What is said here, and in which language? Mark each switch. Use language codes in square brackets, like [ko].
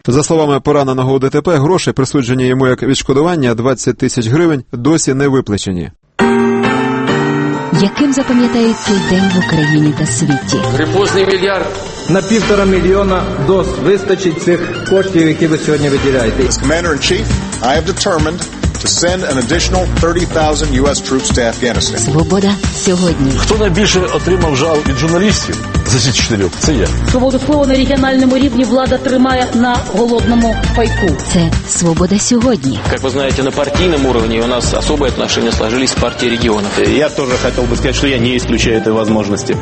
[uk] За словами пораненого у ДТП, гроші, присуджені йому як відшкодування, 20 тисяч гривень, досі не виплачені. Яким запам'ятається день в Україні та світі? Грибозний мільярд. На 1,5 мільйона доз вистачить цих коштів, які ви сьогодні виділяєте. [en] As Commander-in-Chief, I have determined to send an additional 30,000 U.S. troops to Afghanistan. [uk] Свобода сьогодні. Хто найбільше отримав жал від журналістів за ці 4? Це я. Свободу слова на регіональному рівні влада тримає на голодному пайку. Це «Свобода сьогодні». Як ви знаєте, на партійному рівні у нас особі відносини складались з партією регіонів. Я теж хотів би сказати, що я не ісключаю цієї можливості.